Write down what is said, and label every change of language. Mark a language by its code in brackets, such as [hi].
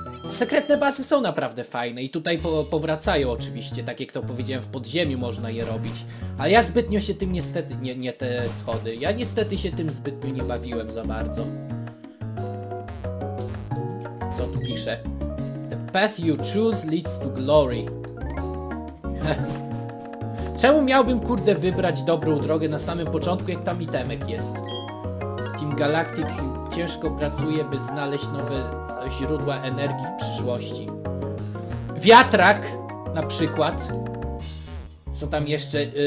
[pl] Sekretne bazy są naprawdę fajne i tutaj powracają oczywiście, tak jak to powiedziałem, w podziemiu można je robić. Ale ja zbytnio się tym niestety... Nie te schody. Ja niestety się tym zbytnio nie bawiłem za bardzo. Co tu pisze? [en] The path you choose leads to glory. [pl] Czemu miałbym, kurde, wybrać dobrą drogę na samym początku, jak tam itemek jest? Team Galactic ciężko pracuje, by znaleźć nowe źródła energii w przyszłości. Wiatrak na przykład. Co tam jeszcze?